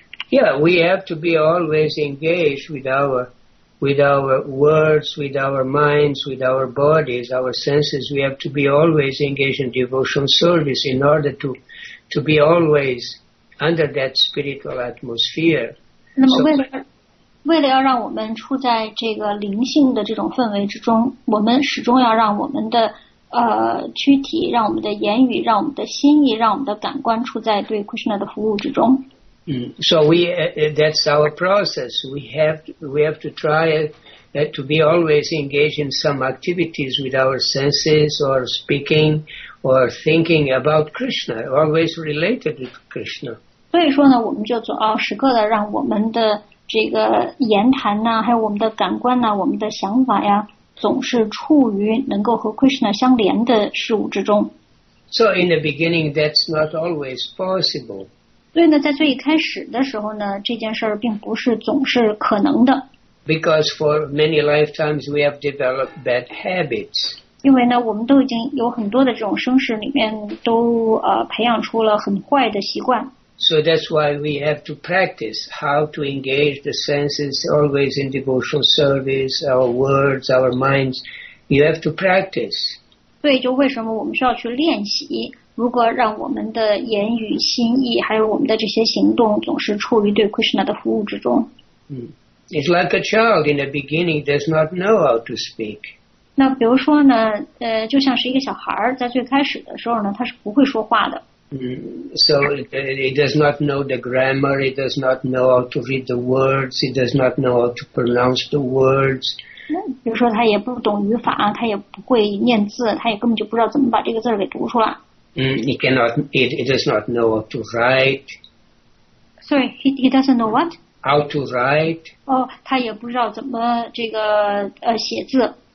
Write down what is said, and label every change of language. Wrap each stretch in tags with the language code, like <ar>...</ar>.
<en>Yeah, we have to be always engaged with our... With our words, with our minds, with our bodies, our senses, we have to be always engaged in devotional service in order to be always under that spiritual atmosphere.</en> <zh>那么为了要让我们处在这个灵性的这种氛围之中，我们始终要让我们的躯体，让我们的言语，让我们的心意，让我们的感官处在对 Krishna 的服务之中。</zh> <en>So we, that's our process. We have to try to be always engaged in some activities with our senses or speaking or thinking about Krishna, always related to Krishna.</en> <zh>所以说呢，我们就总要时刻的让我们的这个言谈呢，还有我们的感官呢，我们的想法呀，总是处于能够和 Krishna 相连的事物之中。</zh> <en>So in the beginning, that's not always possible.</en> <zh>所以呢，在最一开始的时候呢，这件事儿并不是总是可能的。</zh> <en>Because for many lifetimes we have developed bad habits.</en> <zh>因为呢，我们都已经有很多的这种生世里面都培养出了很坏的习惯。</zh> <en>So that's why we have to practice how to engage the senses always in devotional service, our words, our minds. You have to practice.</en> <zh>所以就为什么我们需要去练习？如果让我们的言语、心意，还有我们的这些行动，总是处于对 Krishna 的服务之中。</zh> <en>It's like a child in the beginning does not know how to speak.</en> <zh>那比如说呢，就像是一个小孩在最开始的时候呢，他是不会说话的。</zh> <en>So it does not know the grammar. It does not know how to read the words. It does not know how to pronounce the words.</en> <zh>比如说，他也不懂语法，他也不会念字，他也根本就不知道怎么把这个字给读出来。</zh> <en>He does not know how to write. Sorry, he doesn't know what? How to write.</en> <zh>Oh, 他也不知道怎么这个写字。</zh>